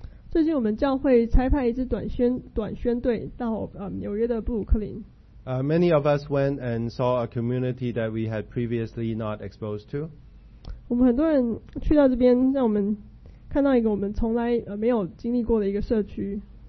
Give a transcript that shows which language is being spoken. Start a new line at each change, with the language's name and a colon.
Chinese: 最近我们教会差派一支短宣队到纽约的布鲁克林。
English: Many of us went and saw a community that we had previously not exposed to.
Chinese: 我们很多人去到这边，让我们看到一个我们从来没有经历过的一个社区。